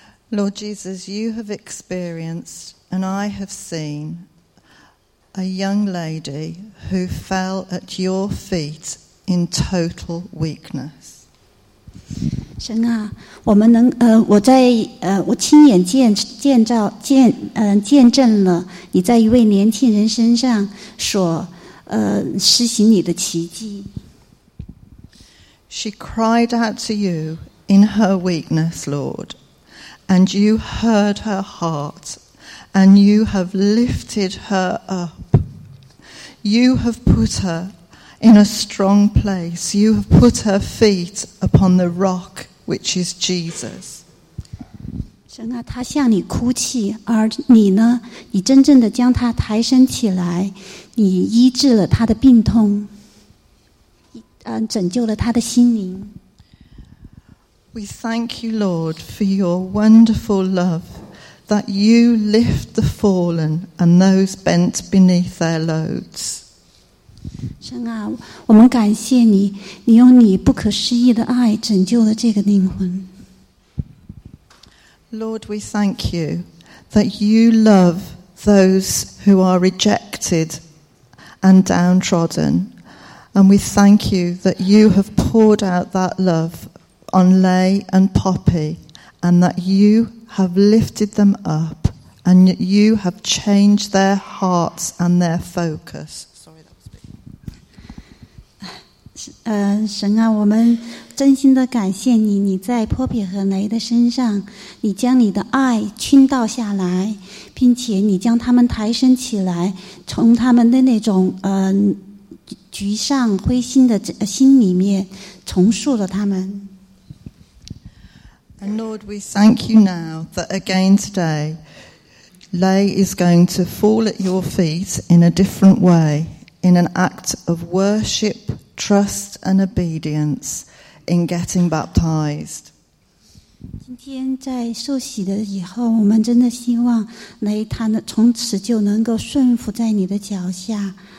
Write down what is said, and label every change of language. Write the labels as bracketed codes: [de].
[en] Lord Jesus, you have experienced and I have seen a young lady who fell at your feet in total weakness. [zh] 神啊, 我们能, 我在, 我亲眼见证了你在一位年轻人身上所, 实行你的奇迹。 [en] She cried out to you in her weakness, Lord. And you heard her heart, and you have lifted her up. You have put her in a strong place. You have put her feet upon the rock, which is Jesus. [zh] 神啊，他向你哭泣，而你呢？你真正的将他抬升起来，你医治了他的病痛，拯救了他的心灵。 [en] We thank you, Lord, for your wonderful love, that you lift the fallen and those bent beneath their loads. [zh] 神啊，我们感谢你，你用你不可思议的爱拯救了这个灵魂。 [en] Lord, we thank you that you love those who are rejected and downtrodden. And we thank you that you have poured out that love on Lay and Poppy, and that you have lifted them up, and you have changed their hearts and their focus. Sorry, that was a bit... [zh] 神啊，我们真心的感谢你，你在波比和雷的身上，你将你的爱倾倒下来，并且你将他们抬升起来，从他们的那种沮丧灰心的心里面重塑了他们。 [en] And Lord, we thank you now that again today, Lay is going to fall at your feet in a different way, in an act of worship, trust, and obedience. In getting baptized. [zh] 今天在受洗的以后，我们真的希望雷他能从此就能够顺服在你的脚下。